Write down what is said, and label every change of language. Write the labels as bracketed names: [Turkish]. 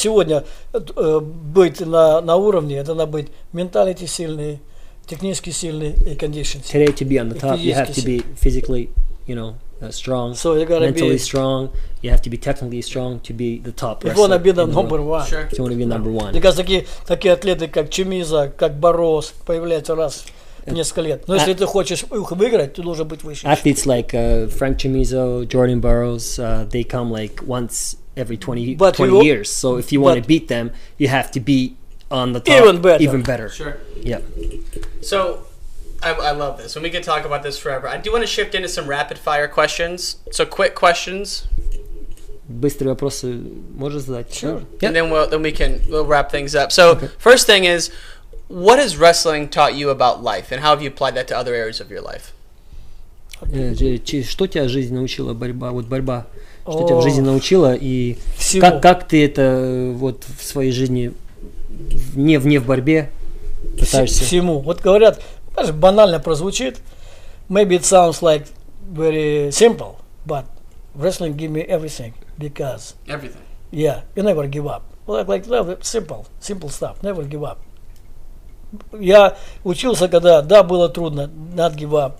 [Russian] Сегодня быть на уровне, это надо быть mentality сильный, технически сильный и condition. [English] Today to be on the top, you have to be physically, you know, strong. So you gotta mentally be strong. You have to be technically strong to be the top. If you wanna be the number one, sure. If you wanna be number one. Because [Russian] такие атлеты как Чемиза, как Борос появляются раз. Но если ты хочешь их выиграть, ты должен быть выше. [English] Athletes like Frank Chamizo, Jordan Burroughs, they come like once every 20 years. So if you want to beat them, you have to be on the top. Even better. Sure. Yeah. So I love this. And we could talk about this forever. I do want to shift into some rapid fire questions. So quick questions. [Russian] Быстрые вопросы можешь задать? [English] Sure. Yeah. And then we'll wrap things up. So okay. First thing is, what has wrestling taught you about life, and how have you applied that to other areas of your life? [Russian] Что тебя жизнь научила борьба? Вот борьба. Что тебя в жизни научила и как ты это вот в своей жизни не в борьбе пытаешься? Всему. Вот говорят, даже банально прозвучит. [English] Maybe it sounds like very simple, but wrestling gave me everything because everything. Yeah, you never give up. Like simple stuff. Never give up. [Russian] Я учился, когда, да, было трудно, [English] not give up.